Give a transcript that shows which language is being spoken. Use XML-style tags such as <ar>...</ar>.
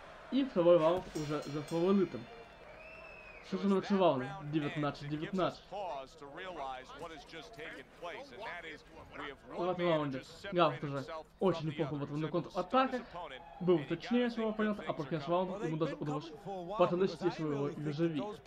<ru>И второй раунд уже за фаворитом. Что же на 19-19.</ru> <en>pause to realize what has just taken place, and that is we have one man just separated himself from the other.</en> <ru>Он был точнее своего оппонента, а после раунда ему даже удалось подносить своего визави.</ru>